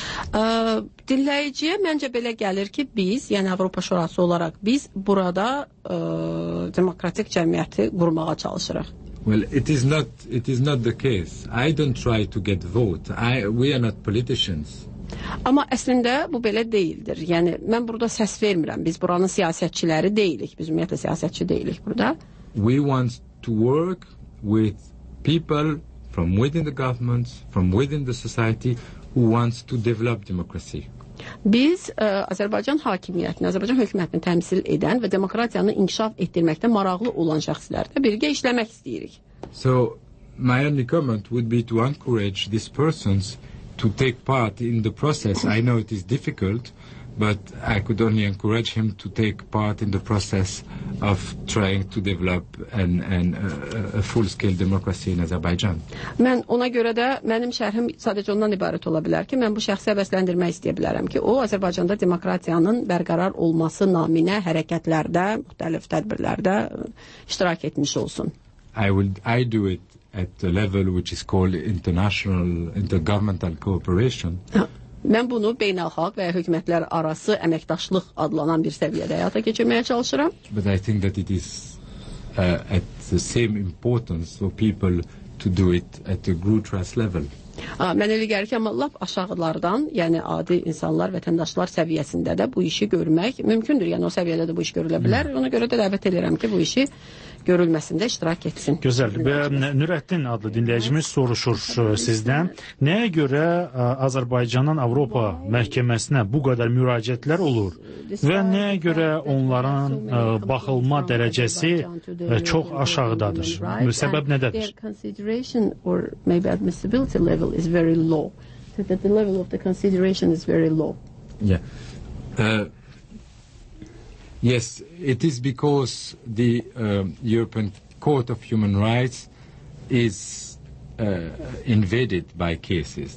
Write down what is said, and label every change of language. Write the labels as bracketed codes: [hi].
[az] Dinləyiciyə məncə belə gəlir ki, biz, yəni Avropa Şurası olaraq, biz burada demokratik cəmiyyəti qurmağa çalışırıq. [en] Well, it is not the case. I don't try to get vote. We are not politicians. [az] Amma əslində bu belə deyildir. Yəni mən burada səs vermirəm. Biz buranın siyasətçiləri deyilik. Biz ümumiyyətlə siyasətçi deyilik burada. [en] We want to work with people from within the governments, from within the society who wants to develop democracy. [az] Biz Azərbaycan hakimiyyətini, Azərbaycan hökumətini təmsil edən və demokratiyanı inkişaf etdirməkdə maraqlı olan şəxslərlə birgə işləmək istəyirik. [en] So my only comment would be to encourage these persons to take part in the process. I know it is difficult, but I could only encourage him to take part in the process of trying to develop a full-scale democracy in Azerbaijan. [az] Mən ona görə də mənim şərhim sadəcə ondan ibarət ola bilər ki, mən bu şəxsi həvəsləndirmək istəyə bilərəm ki, o Azərbaycanda demokratiyanın bərqərar olması naminə hərəkətlərdə, müxtəlif tədbirlərdə iştirak etmiş olsun. [en] I do it at the level which is called international intergovernmental cooperation. [az] Mən bunu beynəlxalq və ya hökumətlər arası əməkdaşlıq adlanan bir səviyyədə həyata keçirməyə çalışıram. [en] But I think that it is at the same importance for people to do it at the grassroots level. [az] Mən elə gəlir ki, amma lap aşağılardan, yəni adi insanlar, vətəndaşlar səviyyəsində də bu işi görmək mümkündür. Yəni o səviyyədə də bu iş görülə bilər. Ona görə də dəvət edirəm ki, bu işi görülməsində iştirak etsin. Gözəldir. Nürəddin adlı dinləyicimiz soruşur sizdən. Nəyə görə Azərbaycanın Avropa məhkəməsinə bu qədər müraciətlər olur və nəyə görə onların baxılma dərəcəsi çox aşağıdadır? Səbəb nədədir? [en] Level is very low. So that the level of the consideration is very low. Yeah. Yes, it is because the European Court of Human Rights is invaded by cases.